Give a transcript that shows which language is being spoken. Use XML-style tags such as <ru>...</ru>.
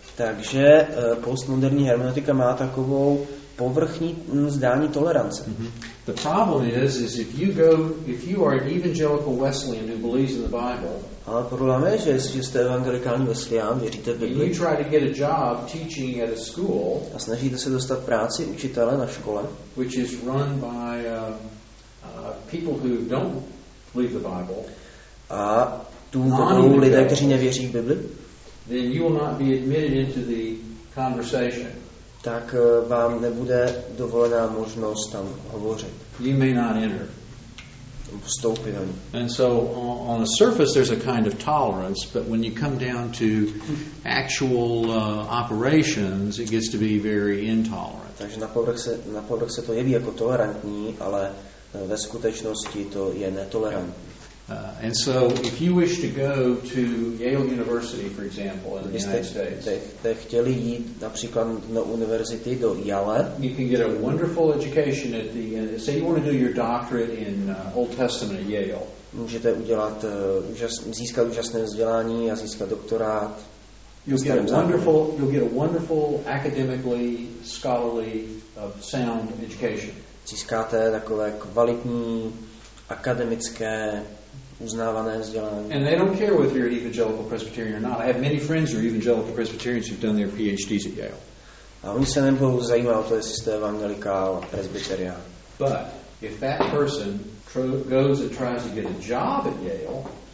<cs>Takže postmoderní hermeneutika má takovou povrchní zdání tolerance. Mm-hmm.</cs> <en>The problem is if you are an evangelical Wesleyan who believes in the Bible.</en> <cs>Ale problém je, že jestli jste evangelikální Wesleyan, věříte v Bibli.</cs> <en>You try to get a job teaching at a school.</en> <cs>A snažíte se dostat práci učitele na škole.</cs> <en>Which is run by people who don't believe the Bible.</en> <cs>A tu vedou lidé, kteří nevěří v Bibli.</cs> <en>then you will not be admitted into the conversation.</en> <cs>Tak vám nebude dovolená možnost tam hovořit.</cs> <en>You may not enter.</en> <cs>Vstoupit ani.</cs> <en>And so on the surface there's a kind of tolerance, but when you come down to actual operations, it gets to be very intolerant.</en> <cs>Takže na povrch se to jeví jako tolerantní, ale ve skutečnosti to je netolerantní.</cs> <en>And so if you wish to go to Yale University, for example, in the United States,</en> <cs>chtěli jít například na univerzity do Yale,</cs> <en>you can get a wonderful education at the say you want to do your doctorate in Old Testament at Yale.</en> <cs>Můžete udělat získat úžasné vzdělání a získat doktorát.</cs> <en>You'll get a wonderful academically scholarly sound education.</en> <cs>Získáte takové kvalitní akademické uznávané vzdělání.</cs> <en>And they don't care whether you're evangelical Presbyterian or not. I have many friends who are evangelical Presbyterians who've done their PhDs at Yale.</en> <cs>A oni se nebudou zajímat o to, jestli jste evangelikál, presbyterián.</cs> <en>But if that person goes and tries to get a job at Yale,</en>